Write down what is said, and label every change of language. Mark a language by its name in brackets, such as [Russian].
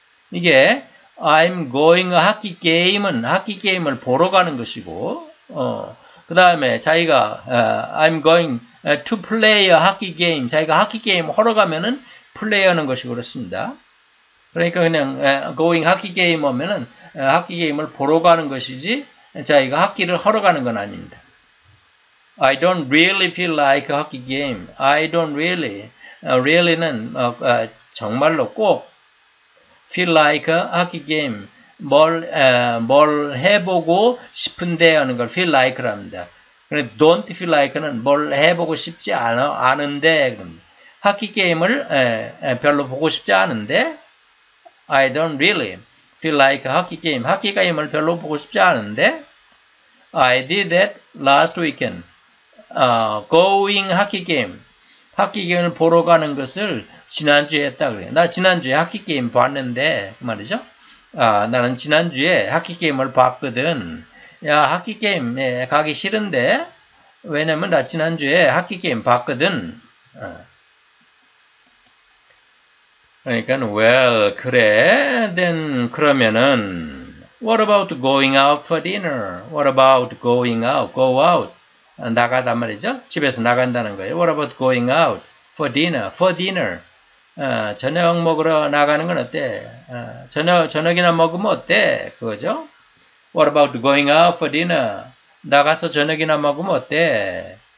[English] 이게 I'm going a hockey game [Korean] 은 하키 게임을 보러 가는 것이고, 그 다음에 자기가 [English] I'm going to play a hockey game. [Korean] 자기가 하키 게임 하러 가면은 플레이 하는 것이 그렇습니다. 그러니까 그냥 going 하키 게임 하면은 하키 게임을 보러 가는 것이지 자기가 하키를 하러 가는 건 아닙니다. [English] I don't really feel like a hockey game. I don't really. [Korean] Really는 정말로 꼭 [English] feel like a hockey game. [Korean] 뭘 해보고 싶은데 하는 걸 feel like랍니다. 그래 [English] don't feel like [Korean] 는 뭘 해보고 싶지 않은데 하키 게임을 별로 보고 싶지 않은데 [English] I don't really feel like a hockey game. [Korean] 하키 게임을 별로 보고 싶지 않은데 [English] I did that last weekend. [Korean] Going 하키 게임. 하키 게임을 보러 가는 것을 지난주에 했다 그래요. 나 지난주에 하키 게임 봤는데, 그 말이죠. 나는 지난주에 하키 게임을 봤거든. 야, 하키 게임 가기 싫은데. 왜냐면 나 지난주에 하키 게임 봤거든. 그러니까, [English] well, [Korean] 그래. [English] Then, [Korean] 그러면은, [English] What about going out for dinner? What about going out? Go out. [Korean] 나가단 말이죠. 집에서 나간다는 거예요. [English] What about going out for dinner? For dinner. [Korean] 저녁 먹으러 나가는 건 어때? 저녁이나 먹으면 어때? 그거죠. [English] What about going out for dinner? [Korean] 나가서 저녁이나 먹으면 어때?